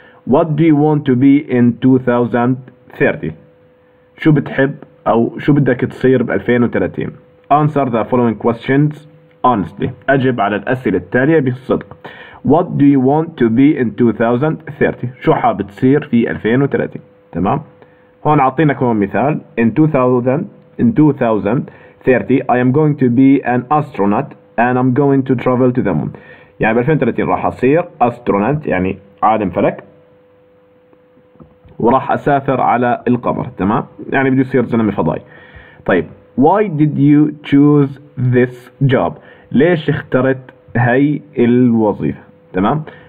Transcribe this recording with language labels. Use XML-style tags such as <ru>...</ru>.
<en>what do you want to be in 2030؟</en> <ar>شو بتحب أو شو بدك تصير ب 2030؟</ar> <en>answer the following questions honestly،</en> <ar>أجب على الأسئلة التالية بصدق.</ar> <en>What do you want to be in 2030؟</en> <ar>شو حاب تصير في 2030؟ تمام؟ هون عطينا كم مثال.</ar> <en>In 2030 I am going to be an astronaut and I'm going to travel to the moon.</en> <ar>يعني ب 2030 راح أصير astronaut يعني عالم فلك وراح أسافر على القمر، تمام؟ يعني بدي يصير زلمة فضائي. طيب</ar> <en>Why did you choose this job؟</en> <ar>ليش اخترت هاي الوظيفة؟ تمام.</ar>